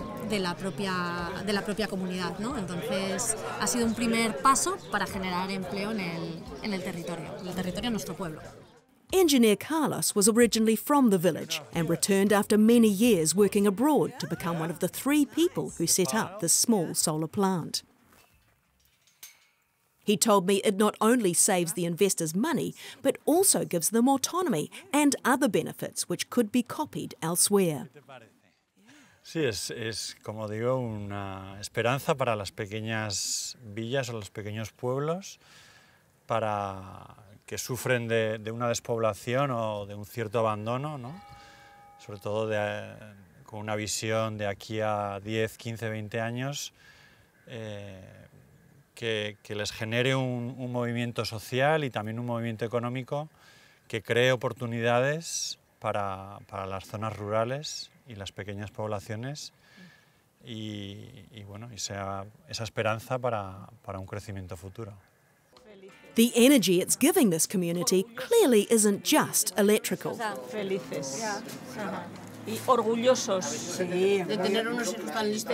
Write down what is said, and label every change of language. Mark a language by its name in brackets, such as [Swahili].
[Spanish] de la propia comunidad, ¿no? Entonces, ha sido un primer paso para generar empleo en el territorio, nuestro pueblo. [English] Engineer Carlos was originally from the village and returned after many years working abroad to become one of the three people who set up the small solar plant. He told me it not only saves the investors money, but also gives them autonomy and other benefits which could be copied elsewhere. [Spanish] Sí, es como digo, una esperanza para las pequeñas villas o los pequeños pueblos, para que sufren de una despoblación o de un cierto abandono, ¿no? Sobre todo con una visión de aquí a 10, 15, 20 años, que les genere un movimiento social y también un movimiento económico que cree oportunidades para las zonas rurales y las pequeñas poblaciones y bueno, y sea esa esperanza para un crecimiento futuro. [English] The energy it's giving this community clearly isn't just electrical. [Spanish] Felices. Y orgullosos de tener unos hijos tan listos.